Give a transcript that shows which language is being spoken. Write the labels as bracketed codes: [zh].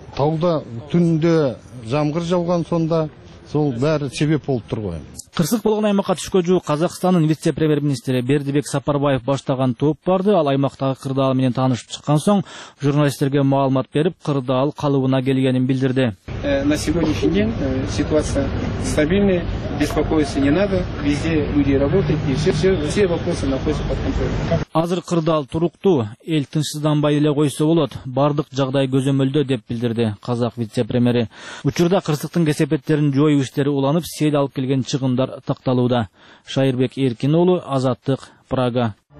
[ky] Тауда түндө жамгыр жауган, сонда сол баары себеп болуп турган. Кырсык болгон аймакка түшкө жуу Казакстандын вице-премьер-министри Бердибек Сапарбаев баштаган топ барды. Ал аймактагы кырдаал менен таанышып чыккан соң журналисттерге маалымат берип, кырдаал калыбына келгенин билдирди. [ru] На сегодняшний день ситуация стабильная, беспокоиться не надо, везде люди работают и все вопросы находятся под контролем. [ky] Азыр кырдаал туруктуу, эл тынчсызданбай эле койсо болот, бардык жагдай көзөмөлдө деп билдирди казак вице-премьери. Учурда кырсыктын кесепеттерин жоюу иштери уланып, сел алып келген чыгын такталууда. Шайырбек Эркин уулу, Азаттык, Прага.